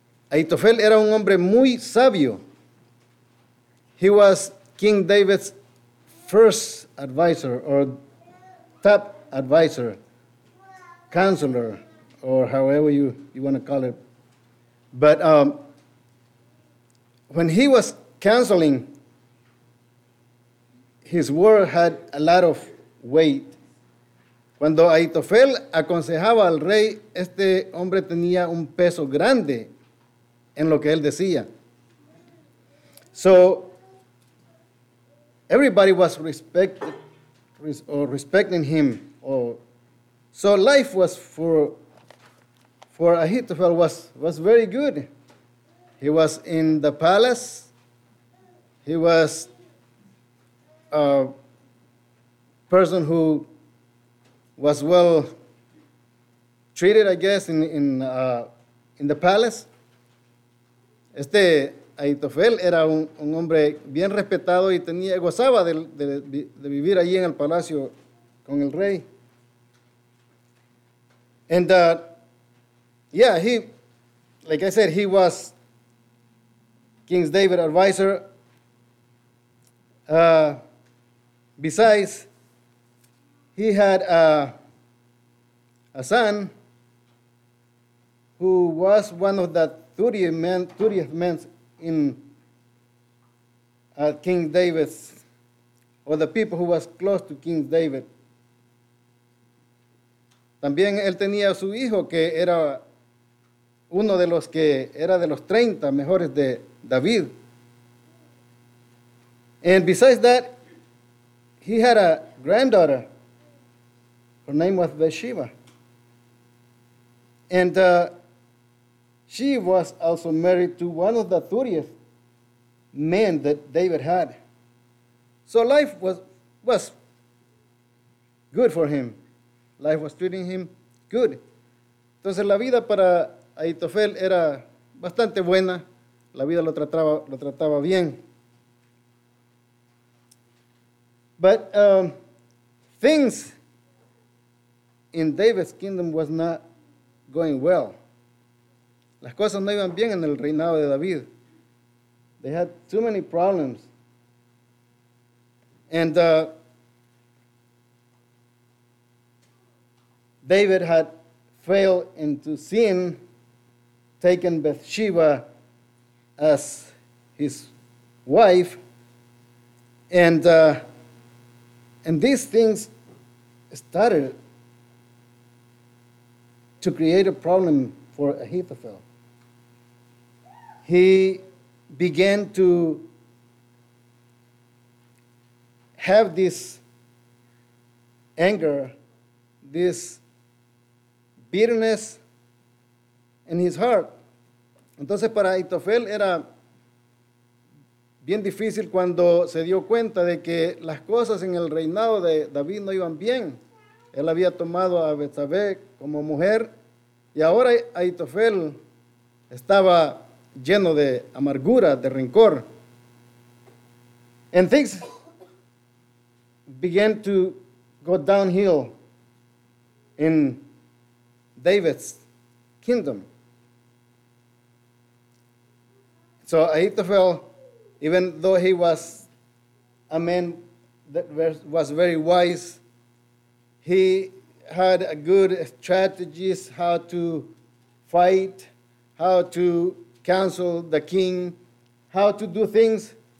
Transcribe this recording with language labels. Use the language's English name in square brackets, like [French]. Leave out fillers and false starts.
[Spanish] Ahithophel era un hombre muy sabio. [English] He was King David's first advisor or top advisor, counselor, or however you want to call it. But when he was counseling, his word had a lot of weight. [Spanish] Cuando Ahithophel aconsejaba al rey, este hombre tenía un peso grande en lo que él decía. [English] So, everybody was respecting him. So life was for Ahithophel was very good. He was in the palace. He was a person who was well treated, I guess, in the palace. [Spanish] Este Ahithophel era un hombre bien respetado y tenía gozaba de vivir allí en el palacio con el rey. [English] And he was King David's advisor. Besides, he had a son who was one of the 30th men in King David's, or the people who was close to King David. [Spanish] También él tenía su hijo que era uno de los que era de los 30 mejores de David. [English] And besides that, he had a granddaughter. Her name was Bathsheba. And she was also married to one of the 30th men that David had. So life was good for him. Life was treating him good. [Spanish] Entonces la vida para Ahithophel era bastante buena. La vida lo trataba bien. [English] But things in David's kingdom was not going well. [Spanish] Las cosas no iban bien en el reinado de David. [English] They had too many problems. And David had failed into sin, taken Bathsheba as his wife. And these things started to create a problem for Ahithophel. He began to have this anger, this bitterness in his heart. [Spanish] Entonces para Ahithophel era bien difícil cuando se dio cuenta de que las cosas en el reinado de David no iban bien. Él había tomado a Betsabé como mujer y ahora Ahitofel estaba lleno de amargura, de rencor. [English] And things began to go downhill in David's kingdom. So Ahithophel, even though he was a man that was very wise, he had a good strategies how to fight, how to counsel the king, how to do things.